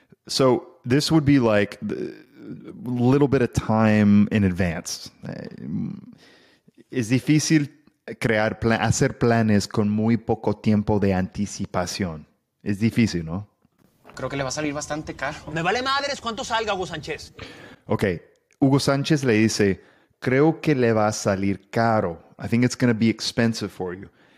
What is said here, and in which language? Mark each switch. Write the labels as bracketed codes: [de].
[en] So, this would be like a little bit of time in advance. [es] Es difícil hacer planes con muy poco tiempo de anticipación. Es difícil, ¿no? Creo que le va a salir bastante caro. Me vale madres cuánto salga, Hugo Sánchez. Okay. Hugo Sánchez le dice, creo que le va a salir caro. [en] I think it's going to be expensive for you.